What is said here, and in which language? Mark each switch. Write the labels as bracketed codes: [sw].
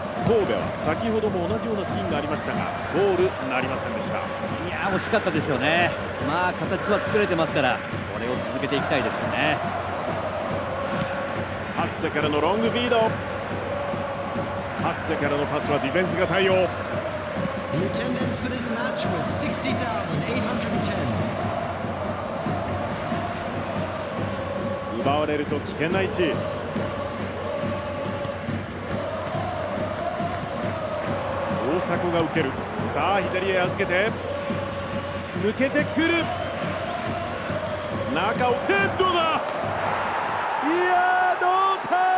[ja] 神戸は先ほども同じようなシーンがありましたがゴールなりませんでした。いや惜しかったですよね。まあ形は作れてますからこれを続けていきたいですよね。ハツセからのロングフィード、ハツセからのパスはディフェンスが対応。 [en] The attendance for this match was 60,810. [ja] 奪われると危険な位置。大迫が受ける。さあ左へ預けて。抜けてくる。中をヘッドだ。いやー同点。